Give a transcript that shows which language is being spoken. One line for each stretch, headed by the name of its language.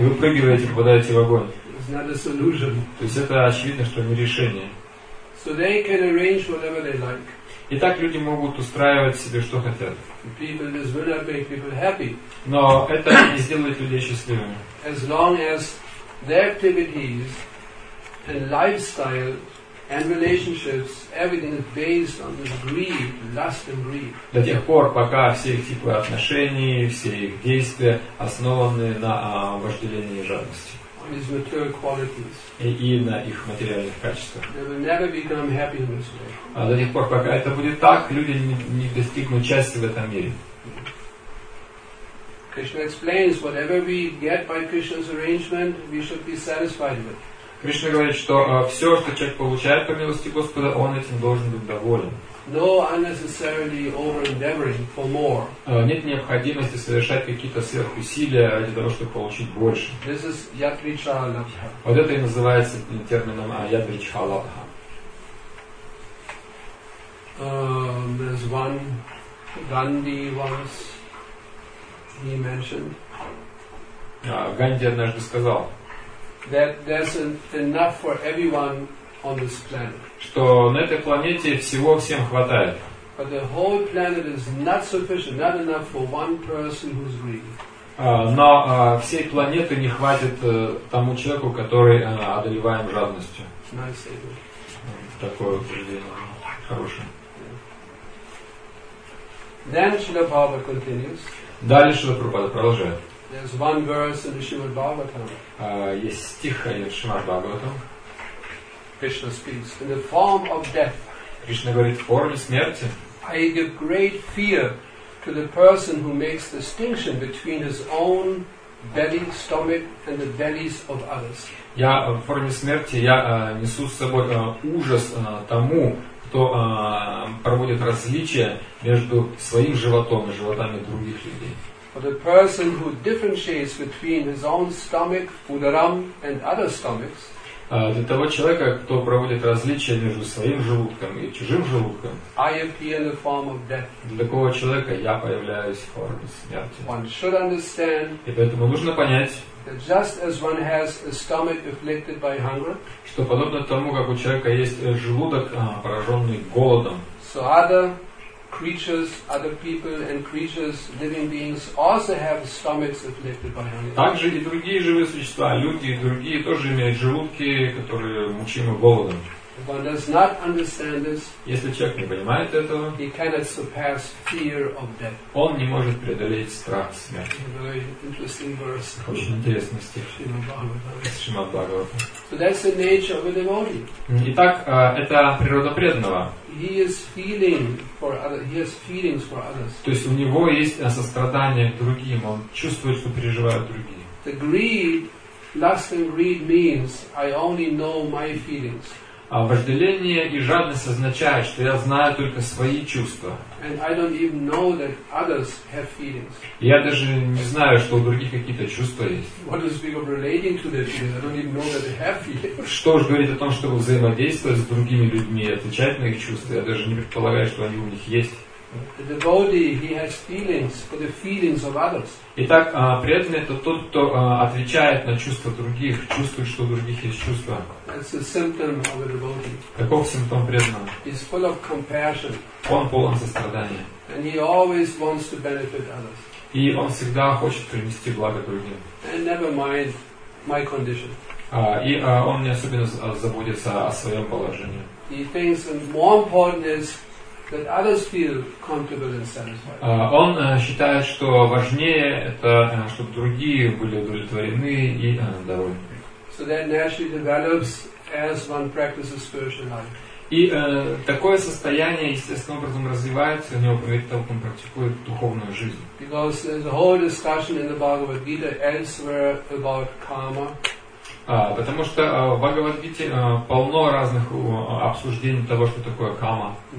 Russian: И выпрыгиваете, попадаете в огонь.
English: It's not a solution.
Russian: То есть это очевидно, что не решение.
English: So they can arrange whatever they like.
Russian: И так люди могут устраивать себе, что хотят.
English: People, this will not make people happy.
Russian: Но это не сделает людей счастливыми.
English: As long as their activities and lifestyle and relationships, everything is based on this greed, lust and greed.
Russian: До тех пор, пока все их типы отношений, все их действия основаны на вожделении и жадности.
English: On these material qualities.
Russian: И на их материальных качествах.
English: They will never become happy in this way.
Russian: А до тех пор, пока это будет так, люди не достигнут счастья в этом мире.
English: Krishna explains, whatever we get by Krishna's arrangement, we should be satisfied with.
Russian: Кришна говорит, что все, что человек получает по милости Господа, он этим должен быть доволен.
English: No unnecessarily over-endeavoring for more.
Russian: Нет необходимости совершать какие-то сверхусилия ради того, чтобы получить больше.
English: This is Yatrichalabha.
Russian: Вот это и называется термином Yatrichalabha.
English: There's one Gandhi once, he mentioned.
Russian: Ганди однажды сказал,
English: that there's enough for everyone on this planet.
Russian: Что на этой планете всего всем хватает.
English: But the whole planet is not sufficient, not enough for one person who's greedy.
Russian: Но всей планеты не хватит тому человеку, который одолеваем жадностью.
English: Nice statement.
Russian: Такое утверждение хорошее.
English: Then Śrīla Prabhupāda continues.
Russian: Далее Śrīla Prabhupāda продолжает.
English: There's one verse in the Shrimad Bhagavatam.
Russian: Есть стих в Shrimad Bhagavatam.
English: Krishna speaks in the form of death.
Russian: Кришна говорит в форме смерти.
English: I give great fear to the person who makes distinction between his own belly, stomach, and the bellies of others.
Russian: Я в форме смерти я несу с собой ужас тому, кто проводит различие между своим животом и животами других людей.
English: For the person who differentiates between his own stomach, udaram, and other stomachs.
Russian: Для того человека, кто проводит различия между своим желудком и чужим желудком.
English: I appear in the form of death.
Russian: Для такого человека я появляюсь в форме смерти.
English: One should understand.
Russian: И поэтому нужно понять.
English: That just as one has a stomach afflicted by hunger.
Russian: Что подобно тому, как у человека есть желудок, пораженный голодом.
English: So other creatures, other people, and creatures, living beings, also have stomachs afflicted by hunger.
Russian: Также и другие живые существа, люди и другие тоже имеют желудки, которые мучимы голодом.
English: If one does not understand this,
Russian: если человек не понимает этого,
English: he cannot surpass fear of death.
Russian: Он не может преодолеть страх смерти.
English: A very interesting verse.
Russian: Очень интересный стих.
English: Шримад Бхагаватам. So that's the nature of a devotee.
Russian: Итак, это природа преданного.
English: He is feeling for others. He has feelings for others.
Russian: То есть у него есть сострадание к другим. Он чувствует, что переживают другие.
English: The greed, lust and greed means I only know my feelings.
Russian: А вожделение и жадность означает, что я знаю только свои чувства.
English: And I don't even know that others have feelings.
Russian: Я даже не знаю, что у других какие-то чувства есть.
English: What does speak of relating to their feelings? I don't even know that they have feelings.
Russian: Что же говорит о том, чтобы взаимодействовать с другими людьми, отвечать на их чувства? Я даже не предполагаю, что они у них есть.
English: The devotee, he has feelings for the feelings of others.
Russian: Итак, преданный это тот, кто отвечает на чувства других, чувствует, что у других есть чувства.
English: That's a symptom of a devotee.
Russian: Каков симптом преданного?
English: He's full of compassion.
Russian: Он полон сострадания.
English: And he always wants to benefit others.
Russian: И он всегда хочет принести благо другим.
English: And never mind my condition.
Russian: Он не особенно заботится о своем положении.
English: He thinks that more important is that others feel comfortable and satisfied.
Russian: Он считает, что важнее это, чтобы другие были удовлетворены и довольны.
English: So that naturally develops as one practices spiritual life.
Russian: И такое состояние естественным образом развивается у него по мере того, как он практикует духовную жизнь.
English: Because there's a whole discussion in the Bhagavad Gita elsewhere about karma.
Russian: Потому что в Бхагавад-гите полно разных обсуждений того, что такое карма.